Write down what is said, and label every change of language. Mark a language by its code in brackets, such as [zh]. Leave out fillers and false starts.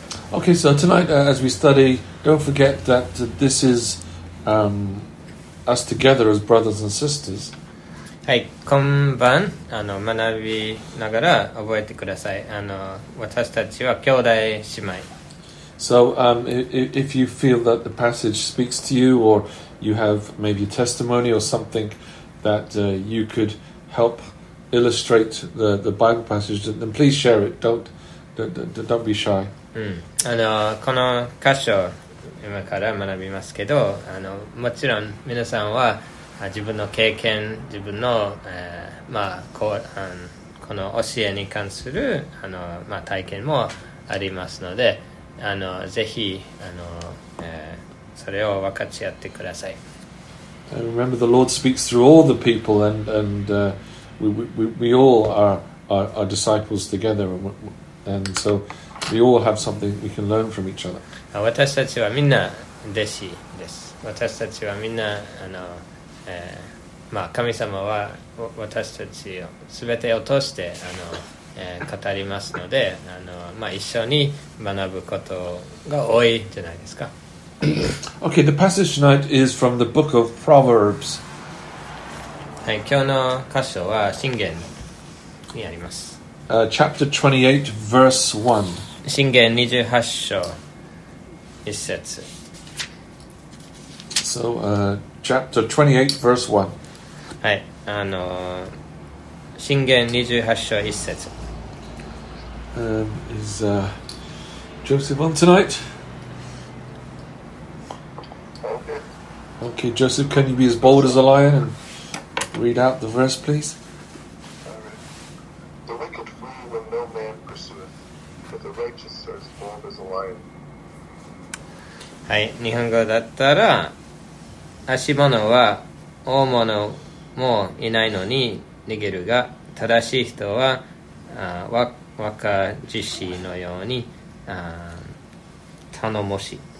[en] Okay, so tonight, as we study, don't forget that this is us together as brothers and sisters. [ja] はい、こんばん。あの、学びながら覚えてください。あの、私たちは兄弟姉妹。 [en] So, if you feel that the passage speaks to you, or you have maybe a testimony or something that you could help illustrate the Bible passage, then please share it. Don't be shy. [ja] あの、この箇所今から学びますけど、あの、もちろん皆さんは自分の経験、自分の、まあ、この教えに関するあの、まあ、体験もありますので、あの、ぜひあの、それを分かち合ってください。 [en] And remember, the Lord speaks through all the people, and we all are disciples together, and so we all have something we can learn from each other. [ja] 私たちはみんな弟子です。私たちはみんなあの、まあ、神様は私たちを全てを通してあの、語りますので、あの、まあ、一緒に学ぶことが多いじゃないですか。 [en] Okay, the passage tonight is from the book of Proverbs. [ja] はい、今日の箇所は箴言にあります。 [en] Chapter 28, verse 1. [ja] 箴言28章一節。 [en] So, chapter 28, verse 1. [ja] はい、あの、箴言28章一節。 [en] Is Joseph on tonight? Okay, Joseph, can you be as bold as a lion and read out the verse, please? The wicked flee when no man pursueth, but the righteous are as bold as a lion. [ja] はい、日本語だったら、足物は大物もいないのに逃げるが、正しい人は若獅子のようにたのもしい。